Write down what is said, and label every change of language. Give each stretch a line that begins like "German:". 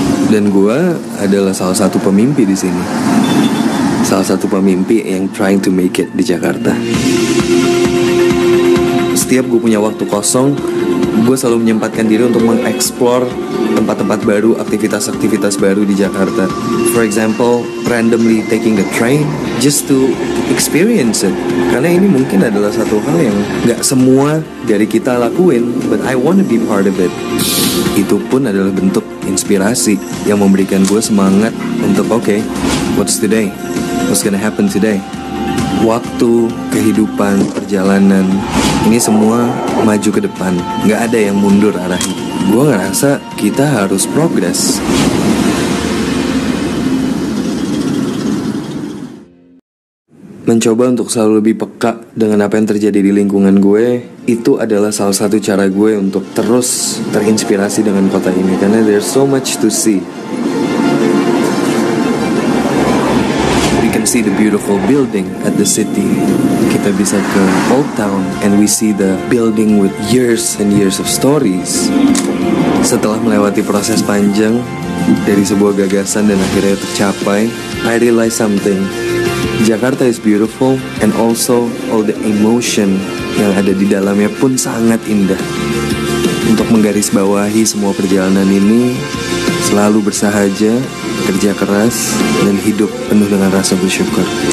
Indonesian: Dan gue adalah salah satu pemimpi di sini, salah satu pemimpi yang
English: trying to make it
Indonesian: di Jakarta. Setiap gue punya waktu kosong, gue selalu menyempatkan diri untuk mengeksplor tempat-tempat baru, aktivitas-aktivitas baru di Jakarta.
English: For example, randomly taking the train just to experience it.
Indonesian: Karena ini mungkin adalah satu hal yang gak semua dari kita lakuin,
English: but I wanna be part of it.
Indonesian: Itu pun adalah bentuk inspirasi yang memberikan gue semangat untuk
English: okay, what's today? What's gonna happen today?
Indonesian: Waktu, kehidupan, perjalanan, ini semua maju ke depan. Gak ada yang mundur arahnya. Gue ngerasa kita harus progress. Mencoba untuk selalu lebih peka dengan apa yang terjadi di lingkungan gue, itu adalah salah satu cara gue untuk terus terinspirasi dengan kota ini. Karena
English: there's so much to see. We can see the beautiful building at the city.
Indonesian: Kita bisa ke
English: Old Town and we see the building with years and years of stories.
Indonesian: Setelah melewati proses panjang dari sebuah gagasan dan akhirnya tercapai,
English: I realize something. Jakarta is beautiful and also all the emotion
Indonesian: yang ada di dalamnya pun sangat indah. Untuk menggarisbawahi semua perjalanan ini, selalu bersahaja, kerja keras, dan hidup penuh dengan rasa bersyukur.